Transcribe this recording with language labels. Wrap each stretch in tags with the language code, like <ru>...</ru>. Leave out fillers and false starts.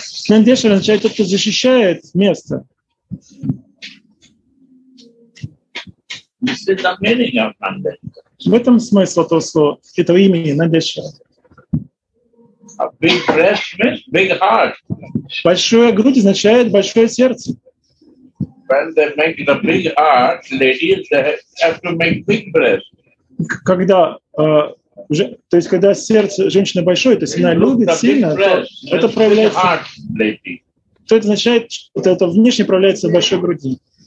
<ru>Nandeshwara означает тот, кто защищает место.</ru> <en>This is the meaning of Nandeshwara.</en> <ru>В этом смысл того слова, этого имени Надеша.</ru> <en>A big breast, big heart.</en> <ru>Большая грудь означает большое сердце.</ru> <en>When they make the big heart, ladies, they have to make big breast.</en> <ru>Когда, то есть когда сердце женщины большое, то есть она любит сильно, то это проявляется.</ru> <en>Heart,</en> <ru>то это означает, что это внешне проявляется в большой груди.</ru>